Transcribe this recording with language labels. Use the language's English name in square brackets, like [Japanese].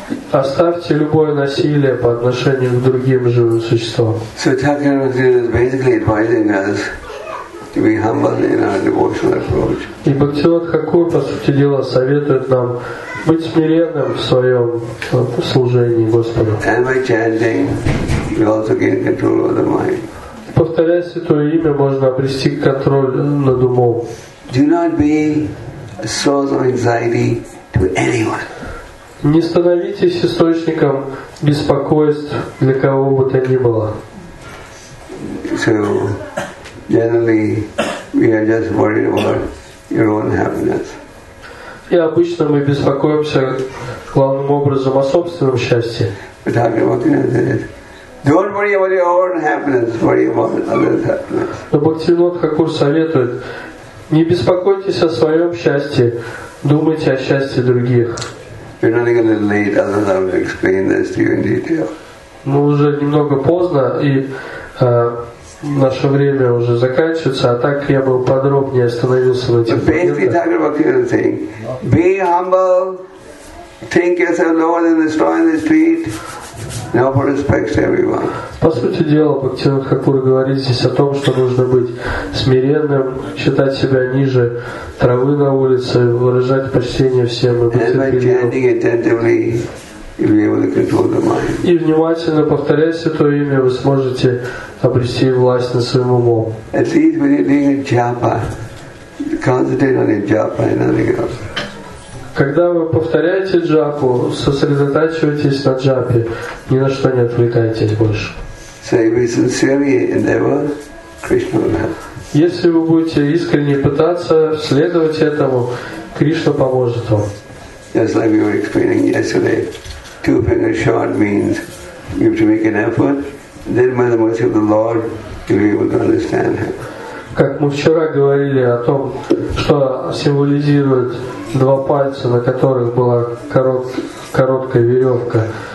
[Russian] Оставьте любое насилие по отношению к другим живым существам. [English] So Thakur is basically advising us to be humble in our devotional approach. [Russian] И Бхактивинод Хакур, по сути дела, советует нам быть смиренным в своем служении Господу. [English] And by chanting, we also gain control over the mind. [Russian] Повторяя святое имя, можно обрести контроль над умом. [English] Do not be a source of anxiety to anyone. [Russian] Не становитесь источником беспокойств для кого бы то ни было. [English] So, generally, we are just worried about your own happiness. [Russian] И обычно мы беспокоимся главным образом о собственном счастье. [English] Don't worry about your own happiness. Worry about others' happiness. [Russian] Но Бхактивинод Хакур советует: не беспокойтесь о своем счастье, думайте о счастье других. [English] You're running a little late. Others have explained this to you in detail. [Russian] Но уже немного поздно, и наше время уже заканчивается. А так я был подробнее остановился на этих моментах. [English] Basically, Thakur Bhaktivinoda is saying, be humble, think yourself lower than the straw in the street. Now for respect to everyone. [Russian] По сути дела, Бхактивинод Хакур говорит здесь о том, что нужно быть смиренным, считать себя ниже травы на улице, выражать почтение всем и быть. И внимательно повторять святое имя, вы сможете обрести власть над своим умом. [English] At least when you're doing a japa, concentrate on your japa and nothing else. [Russian] Когда вы повторяете джапу, сосредотачивайтесь на джапе, ни на что не отвлекайтесь больше. [English] So if we sincerely endeavor, Krishna will help. [Russian] Если вы будете искренне пытаться следовать этому, Кришна поможет вам. [English] Just like we were explaining yesterday, two fingers short means you have to make an effort, then by the mercy of the Lord, you'll be able to understand him. [Russian] Как мы вчера говорили о том, что символизирует два пальца, на которых была короткая веревка.